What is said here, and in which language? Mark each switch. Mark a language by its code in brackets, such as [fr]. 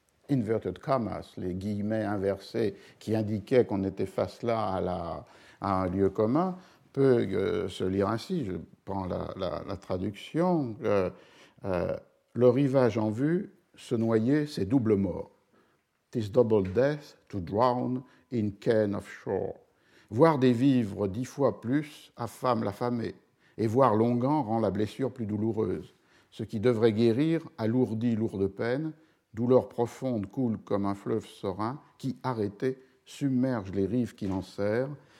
[en] inverted commas, [fr] les guillemets inversés, qui indiquaient qu'on était face là à un lieu commun, peut se lire ainsi, je prends la traduction, le rivage en vue, se noyer, c'est double mort. [en] Tis double death to drown in ken of shore. [fr] Voir des vivres 10 fois plus affame l'affamée, et voir longuant rend la blessure plus douloureuse. Ce qui devrait guérir alourdit lourde peine, douleur profonde coule comme un fleuve serein qui, arrêté, submerge les rives qui l'enserrent.